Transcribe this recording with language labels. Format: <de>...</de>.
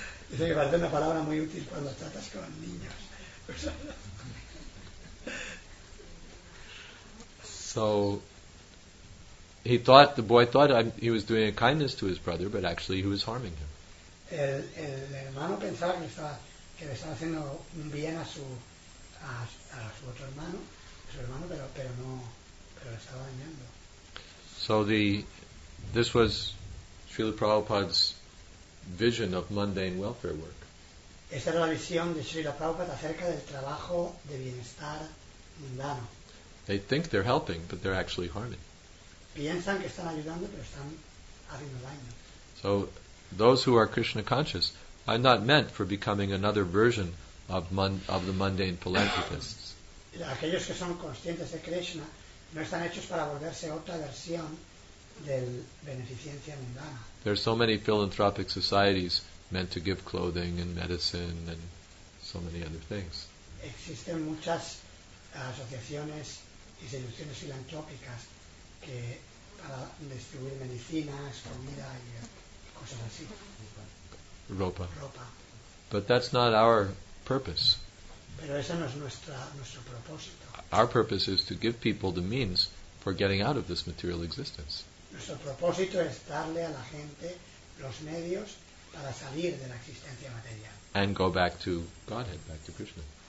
<es>Dice que parece una palabra muy útil cuando tratas con niños.</es> <en>So he thought, the boy thought he was doing a kindness to his brother, but actually he was harming him.</en> <es>El hermano pensaba que le estaba haciendo un bien a su otro hermano, su hermano, pero le estaba dañando.</es> <en>So this was Srila Prabhupada's vision of mundane welfare work.</en> <es>Esta era la visión de Srila Prabhupada acerca del trabajo de bienestar mundano.</es> <en>They think they're helping, but they're actually harming.</en> <es>Piensan que están ayudando, pero están haciendo daño.</es> <en>So, those who are Krishna conscious are not meant for becoming another version of the mundane philanthropists.</en> <es>Aquellos que son conscientes de Krishna no están hechos para volverse otra versión del beneficencia mundana.</es> <en>There are so many philanthropic societies meant to give clothing and medicine and so many other things.</en> <es>Existen muchas asociaciones y instituciones filantrópicas que para distribuir medicinas, comida y cosas así.</es> <en>Ropa. But that's not our purpose.</en> <es>Pero ese no es nuestro propósito.</es> <en>Our purpose is to give people the means for getting out of this material existence.</en> <es>Nuestro propósito es darle a la gente los medios para salir de la existencia material.</es> <en>And go back to Godhead, back to Krishna.</en>